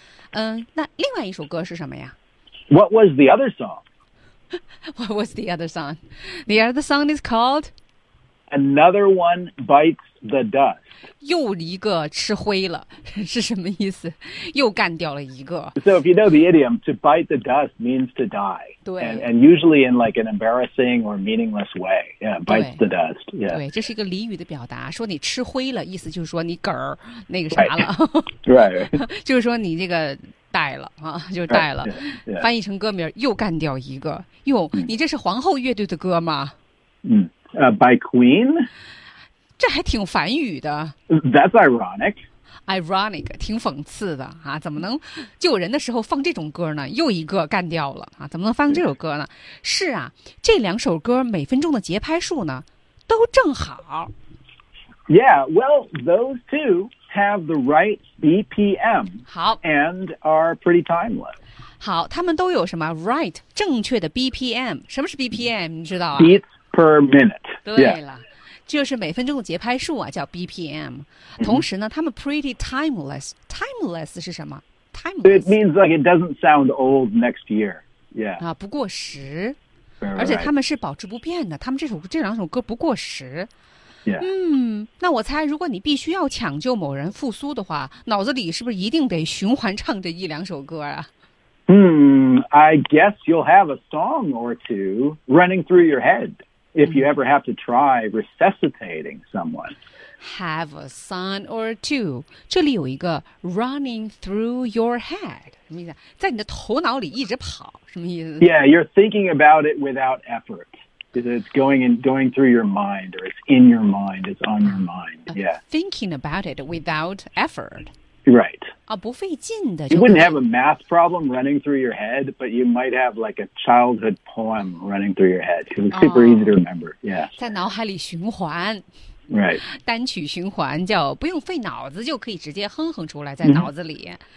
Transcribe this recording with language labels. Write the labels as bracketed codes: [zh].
[zh] 嗯，那另外一首歌是什么呀 [en] ？What was the other song? What was the other song? The other song is called Another One Bites the Dust. [zh] 又一个吃灰了，是什么意思？又干掉了一个。 [en] So if you know the idiom, to bite the dust means to die. [zh] 对。 [en] And usually in like an embarrassing or meaningless way. Yeah, bites the dust. Yeah. [zh] 对，这是一个俚语的表达，说你吃灰了，意思就是说你梗儿那个啥了。 [en] Right. [zh] 就是说你这个带了啊，就带了。 [en] Right. Yeah. [zh] 翻译成歌名，又干掉一个。哟、嗯，你这是皇后乐队的歌吗？ [en] 嗯。By Queen? [zh] 这还挺反语的。 [en] That's ironic. [zh] Ironic, 挺讽刺的啊！怎么能救人的时候放这种歌呢？又一个干掉了啊！怎么能放这首歌呢？是啊，这两首歌每分钟的节拍数呢，都正好。 [en] Yeah, well, those two have the right BPM. [zh] 好。 [en] And are pretty timeless. [zh] 好，他们都有什么 right 正确的 BPM？ 什么是 BPM？ 你知道啊 [en] ？Beats per minute。 [zh] 对了，就是每分钟的节拍数啊，叫 BPM。同时呢，他们 pretty timeless。Timeless 是什么 ？Timeless。 [en] It means like it doesn't sound old next year. Yeah. [zh] 啊，不过时。而且他们是保持不变的，他们这两首歌不过时。 [en] Yeah. [zh] 嗯，那我猜，如果你必须要抢救某人复苏的话，脑子里是不是一定得循环唱这一两首歌啊？ [en] I guess you'll have a song or two running through your head if you ever have to try resuscitating someone. Have a song or two. [zh] 这里有一个 [en] running through your head. [zh] 什么意思？在你的头脑里一直跑，什么意思？ [en] Yeah, you're thinking about it without effort. It's going through your mind, or it's in your mind, it's on your mind. Yeah. Thinking about it without effort. Right. [zh] 啊，不费劲的。 [en] You wouldn't have a math problem running through your head, but you might have like a childhood poem running through your head. It's super easy to remember. Yeah. [zh] 在脑海里循环。 [en] Right. [zh] 单曲循环叫不用费脑子就可以直接哼哼出来在脑子里。